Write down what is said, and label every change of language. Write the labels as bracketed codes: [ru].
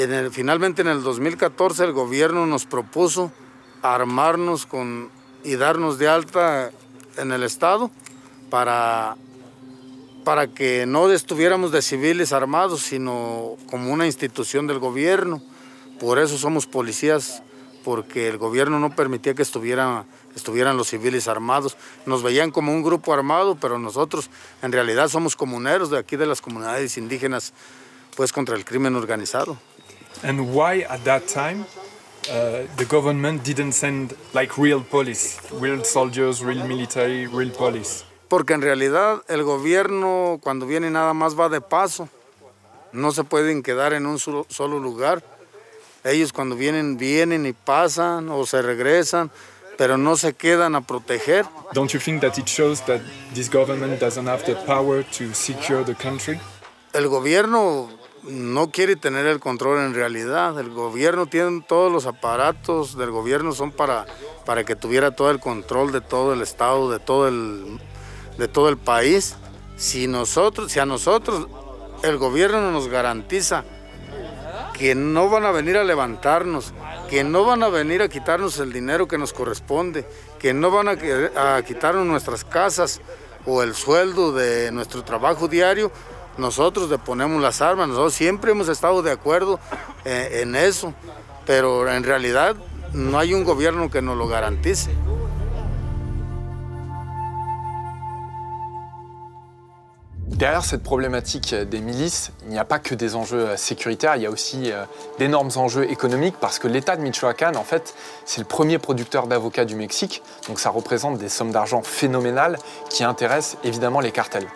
[es] Finalmente en el 2014 el gobierno nos propuso armarnos y darnos de alta en el estado para que no estuviéramos de civiles armados, sino como una institución del gobierno. Por eso somos policías, porque el gobierno no permitía que estuvieran los civiles armados. Nos veían como un grupo armado, pero nosotros en realidad somos comuneros de aquí, de las comunidades indígenas, pues contra el crimen organizado. [en] And why at that time the government didn't send like real police, real soldiers, real military, real police? [es] Porque en realidad el gobierno cuando viene nada más va de paso. No se pueden quedar en un solo lugar. Ellos cuando vienen y pasan o se regresan, pero no se quedan a proteger. [en] Don't you think that it shows that this government doesn't have the power to secure the country? [es] El gobierno no quiere tener el control en realidad. El gobierno tiene todos los aparatos del gobierno son para que tuviera todo el control de todo el estado, de todo el país. Si a nosotros el gobierno nos garantiza que no van a venir a levantarnos, que no van a venir a quitarnos el dinero que nos corresponde, que no van a quitarnos nuestras casas o el sueldo de nuestro trabajo diario, nosotros deponemos las armas. Nosotros siempre hemos estado de acuerdo en eso, pero en realidad no hay un gobierno que nos lo garantice. [fr] Derrière cette problématique des milices, il n'y a pas que des enjeux sécuritaires, il y a aussi d'énormes enjeux économiques parce que l'État de Michoacán, en fait, c'est le premier producteur d'avocats du Mexique, donc ça représente des sommes d'argent phénoménales qui intéressent évidemment les cartels.